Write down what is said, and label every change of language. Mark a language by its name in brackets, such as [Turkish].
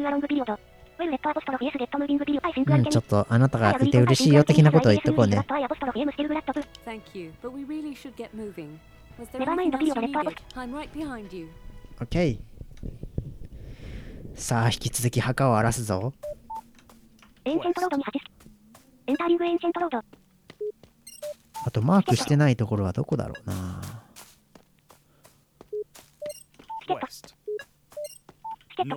[Japanese] うん、ちょっとあなたがいて嬉しいよ的なことを言っとこうね。 [English] Thank you, but we really should get moving. Was there anything else you needed? I'm right behind you. Okay. [Japanese] さあ引き続き墓を荒らすぞ。エンシェントロードに走る。エンターリングエンシェントロード。あとマークしてないところはどこだろうな。チケットチケット